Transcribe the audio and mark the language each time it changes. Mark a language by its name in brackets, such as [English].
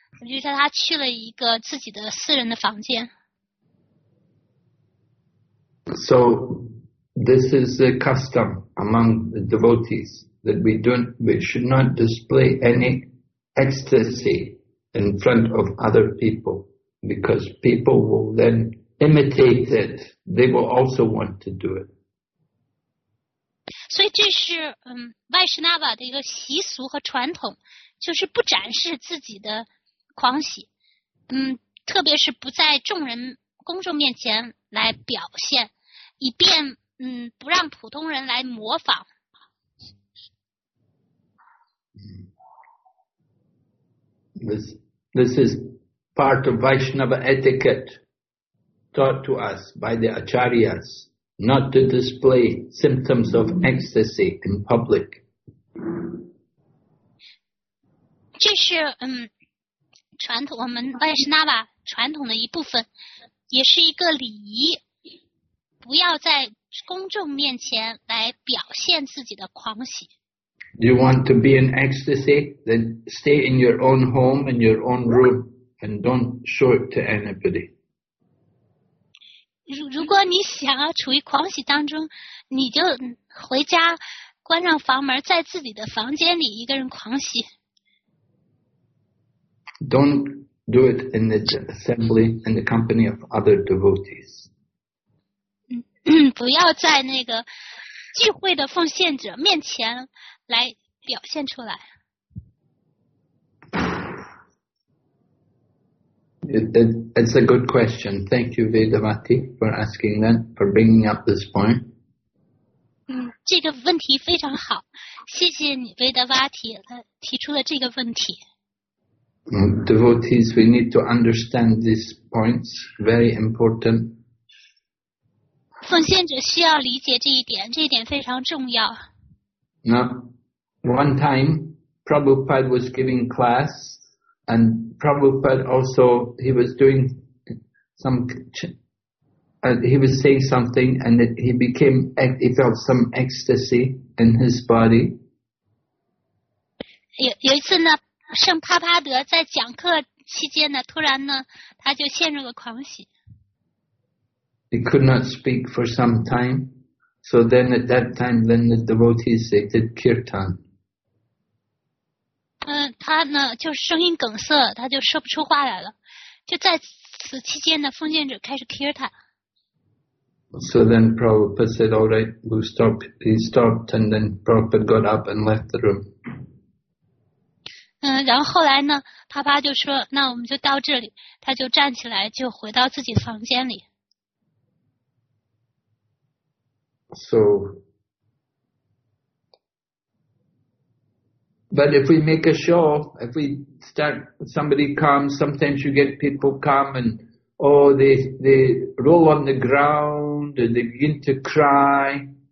[Chinese] 我就叫他去了一个自己的私人的房间。 [English] So, this is a custom among the devotees that we should not display any ecstasy in front of other people because people will then imitate it. They will also want to do it. [Chinese] 所以这是外施那瓦的一个习俗和传统，就是不展示自己的。狂喜，特别是不在众人公众面前来表现，以便不让普通人来模仿。 [English] This is part of Vaishnava etiquette taught to us by the acharyas, not to display symptoms of ecstasy in public. [Chinese] 这是传统，我们外施那瓦传统的一部分，也是一个礼仪，不要在公众面前来表现自己的狂喜。 [English] You want to be in ecstasy, then stay in your own home, in your own room, and don't show it to anybody. [Chinese] 如果你想要处于狂喜当中，你就回家，关上房门，在自己的房间里一个人狂喜。 [English] Don't do it in the assembly, in the company of other devotees. [Chinese] 不要在那个聚会的奉献者面前来表现出来。 [English] It's a good question. Thank you, Vedavati, for asking that, for bringing up this point. [Chinese] 这个问题非常好。谢谢你，Vedavati, 提出了这个问题。 [English] Devotees, we need to understand these points, very important. [Chinese] 奉献者需要理解这一点，这一点非常重要。 [English] Now, one time, Prabhupada was giving class, and Prabhupada also, he was doing some, he was saying something, and he became, he felt some ecstasy in his body. [Chinese] 有一次呢，圣帕帕德在讲课期间呢，突然呢，他就陷入了狂喜。 [English] He could not speak for some time. So then at that time, then the devotees, they did kirtan. [Chinese] 他呢就声音梗塞，他就说不出话来了。就在此期间呢，奉献者开始 kirtan。 [English] So then Prabhupada said, all right, we'll stop. He stopped and then Prabhupada got up and left the room. [Chinese] 然后后来呢，帕帕就说，那我们就到这里。他就站起来，就回到自己房间里。 [English] So, but if we make a show, if we start, somebody comes, sometimes you get people come and, oh, they roll on the ground and they begin to cry.